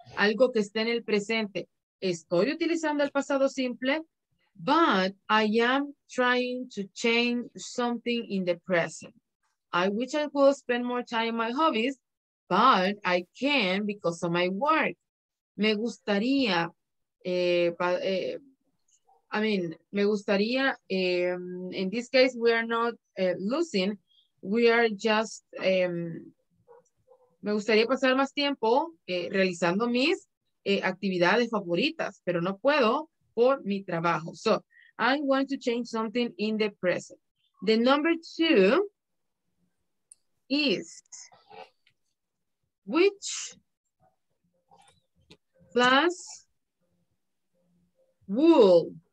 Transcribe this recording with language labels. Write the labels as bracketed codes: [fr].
[es] Algo que esté en el presente. Estoy utilizando el pasado simple, [en] but I am trying to change something in the present. I wish I could spend more time on my hobbies, but I can because of my work. [es] Me gustaría, [en] in this case, we are not losing. We are just, [es] me gustaría pasar más tiempo realizando mis actividades favoritas, pero no puedo por mi trabajo. [en] So, I want to change something in the present. The number two is which plus will.